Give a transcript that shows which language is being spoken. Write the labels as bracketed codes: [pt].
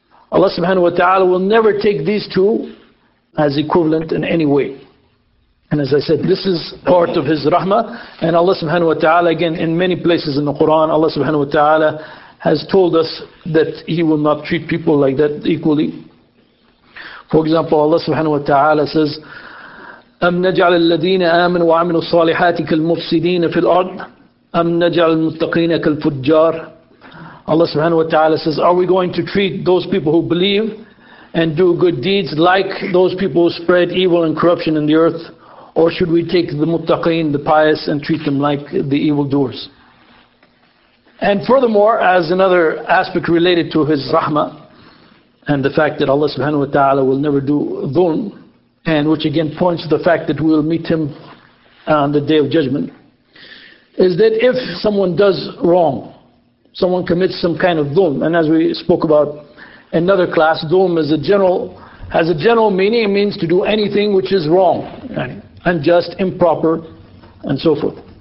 [en] Allah subhanahu wa ta'ala will never take these two as equivalent in any way. And as I said, this is part of His rahmah. And Allah subhanahu wa ta'ala, again, in many places in the Quran, Allah subhanahu wa ta'ala has told us that He will not treat people like that equally. For example, Allah subhanahu wa ta'ala says, [ar] أَمْ نَجْعَلَ الَّذِينَ آمَنُوا وَعَمِلُوا الصَّالِحَاتِ كَالْمُفْسِدِينَ فِي الْأَرْضِ أَمْ نَجْعَلَ الْمُتَّقِينَ كَالْفُجَّارِ. [en] Allah subhanahu wa ta'ala says, are we going to treat those people who believe and do good deeds like those people who spread evil and corruption in the earth? Or should we take the muttaqeen, the pious, and treat them like the evildoers? And furthermore, as another aspect related to His rahmah, and the fact that Allah subhanahu wa ta'ala will never do dhulm, and which again points to the fact that we will meet Him on the day of judgment, is that if someone does wrong, someone commits some kind of dhulm, and as we spoke about in another class, dhulm is a general, has a general meaning, it means to do anything which is wrong, unjust, improper, and so forth.